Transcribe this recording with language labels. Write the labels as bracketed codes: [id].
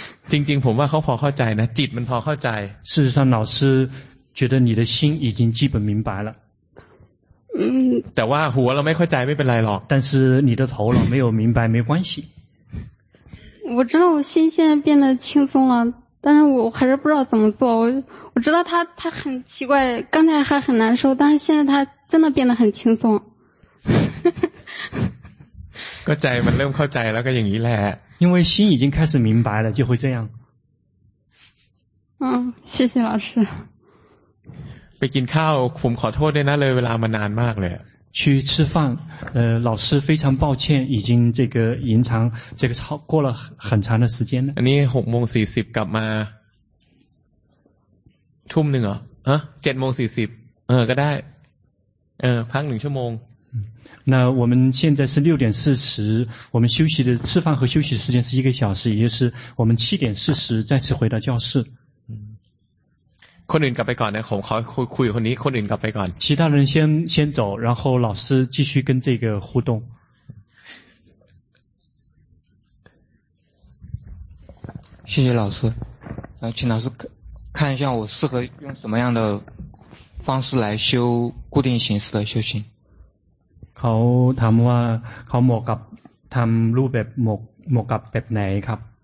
[th] จริงๆผมว่าเขาพอเข้าใจนะจิตมันพอเข้าใจ [zh] 事实上老师觉得你的心已经基本明白了 [th] แต่ว่าหัวเราไม่เข้าใจไม่เป็นไรหรอก [zh] 但是你的头脑没有明白没关系我知道我心现在变得轻松了但是我还是不知道怎么做 我知道他很奇怪刚才还很难受但是现在他真的变得很轻松 [th] ก็ใจมันเริ่มเข้าใจแล้วก็อย่างนี้แหละ [zh] 因为心已经开始明白了就会这样嗯谢谢老师 [th] ไปกินข้าวผมขอโทษด้วยนะเลยเวลามานานมากเลย [zh] 去吃饭老师非常抱歉已经这个延长这个超过了很长的时间 [th] อันนี้6:40กลับมาทุ่มหนึ่งเหรอฮะ7:40ก็ได้พัก1 ชั่วโมง [zh] 那我们现在是6:40我们休息的吃饭和休息时间是1个小时也就是我们7:40再次回到教室 [th] คนอื่นกลับไปก่อนนะผมขอคุยคนนี้คนอื่นกลับไปก่อน [zh] 其他人先走然后老师继续跟这个互动谢谢老师请老师看一下我适合用什么样的方式来修固定形式的修行 [th] เขาถามว่าเขาเหมาะกับทำรูปแบบเหมาะกับแบบไหนครับ